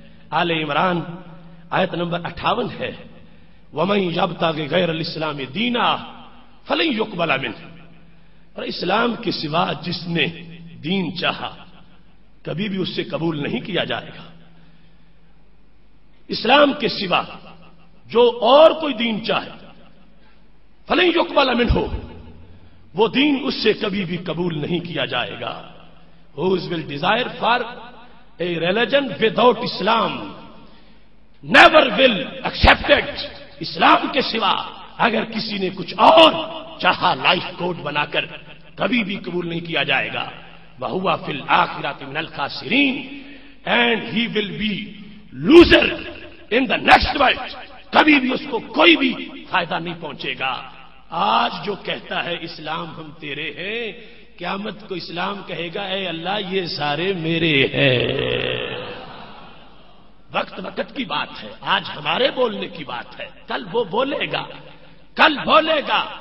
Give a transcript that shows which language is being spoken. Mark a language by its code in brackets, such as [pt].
[ur] آل عمران آیت نمبر 58 ہے, [ar] وَمَنْ يَبْتَغِ غَيْرَ الْإِسْلَامِ دِينَا فَلَنْ يُقْبَلَ مِنْهُ, [ur] اور اسلام کے سوا جس نے دین چاہا کبھی بھی اس سے قبول نہیں کیا جائے گا. اسلام کے سوا جو اور کوئی دین چاہے, [ar] فَلَنْ يُقْبَلَ مِنْهُ, [ur] وہ دین اس سے کبھی بھی قبول نہیں کیا جائے گا. [en] Whose will desire for a religion without Islam never will accept it. [ur] اسلام کے سوا اگر کسی نے کچھ اور چاہا لائف کوڈ بنا کر کبھی بھی قبول نہیں کیا جائے گا. [ar] وَهُوَ فِي الْآخِرَةِ مِنَ الْخَاسِرِينَ [en] and he will be loser in the next world. [ur] کبھی بھی اس کو کوئی بھی فائدہ نہیں پہنچے گا. آج جو کہتا ہے اسلام ہم تیرے ہیں, قیامت کو اسلام کہے گا اے اللہ یہ سارے میرے ہیں. وقت وقت کی بات ہے, آج ہمارے بولنے کی بات ہے, کل وہ بولے گا, کل بولے گا.